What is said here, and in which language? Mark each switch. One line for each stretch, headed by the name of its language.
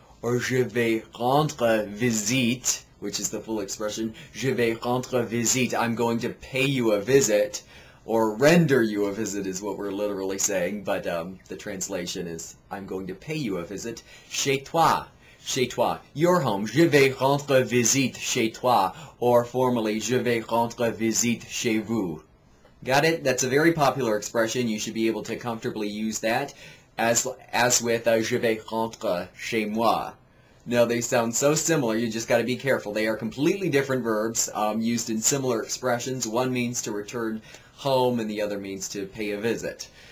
English: Or
French: je vais rendre visite,
English: which is the full expression.
French: Je vais rendre visite.
English: I'm going to pay you a visit, or render you a visit is what we're literally saying, but the translation is I'm going to pay you a visit.
French: Chez toi,
English: your home.
French: Je vais rendre visite chez toi,
English: or formally,
French: je vais rendre visite chez vous.
English: Got it? That's a very popular expression. You should be able to comfortably use that. As with,
French: je vais rentrer chez moi.
English: Now, they sound so similar, you just got to be careful. They are completely different verbs used in similar expressions. One means to return home, and the other means to pay a visit.